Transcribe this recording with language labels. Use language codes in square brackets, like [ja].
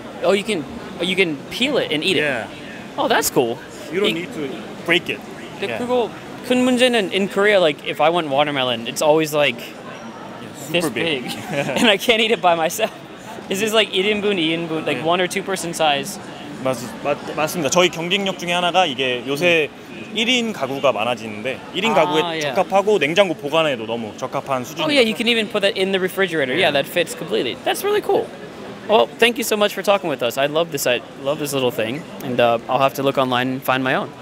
[en] Oh, you can peel it and eat it. Yeah. Oh, that's cool. You don't need to break it. Yeah. [ko] 그리고 큰 문제는 [en] in Korea, like if I want watermelon, it's always like yeah, super this big. Yeah. And I can't eat it by myself. This is like 1인분, 2인분, like yeah. one or two person size. [ko] 맞습니다. 저희 경쟁력 중에 하나가 이게 요새 1인 가구가 많아지는데 1인 가구에 [en] yeah. [ko] 적합하고 냉장고 보관에도 너무 적합한 수준. [en] Oh yeah, you can even put that in the refrigerator. Yeah, that fits completely. That's really cool. Well, thank you so much for talking with us. I love this little thing, and I'll have to look online and find my own.